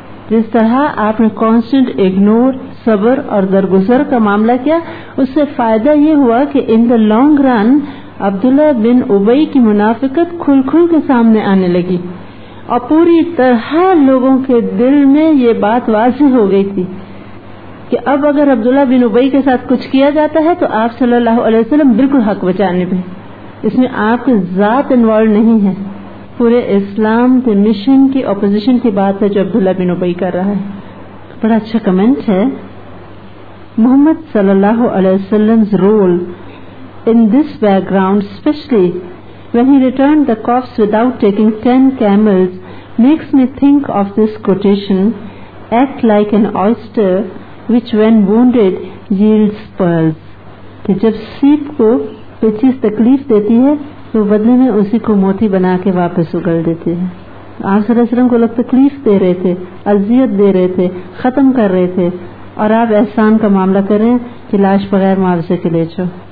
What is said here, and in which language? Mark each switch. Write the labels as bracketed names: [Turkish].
[Urdu] جس طرح آپ نے [English] constant ignore, [Urdu] صبر اور درگزر کا معاملہ کیا, اس سے فائدہ یہ ہوا کہ [English] in the long run [Urdu] عبداللہ بن ابی کی منافقت کھل کھل کے سامنے آنے لگی, اور پوری طرح لوگوں کے دل میں یہ بات واضح ہو گئی تھی کہ اب اگر عبداللہ بن ابی کے ساتھ کچھ کیا جاتا ہے تو آپ صلی اللہ علیہ وسلم بالکل حق بچانے پہ, اس میں آپ کی ذات انوالو نہیں ہے. پورے اسلام کے مشن کی اپوزیشن کی بات ہے جو عبداللہ بن ابی کر رہا ہے. بڑا اچھا کمنٹ ہے. [English] محمد صلی اللہ علیہ وسلم's role in this background, especially when he returned the corpse without taking 10 camels, makes me think of this quotation, act like an oyster which when wounded yields pearls. [Urdu] کہ جب سیپ کو کوئی چیز تکلیف دیتی ہے تو بدلے میں اسی کو موتی بنا کے واپس اگل دیتے ہیں. آپ صلی اللہ علیہ وسلم کو لوگ تکلیف دے رہے تھے, اذیت دے رہے تھے, ختم کر رہے تھے, اور آپ احسان کا معاملہ کر رہے ہیں, کہ لاش بغیر معاوضے کے لے چو.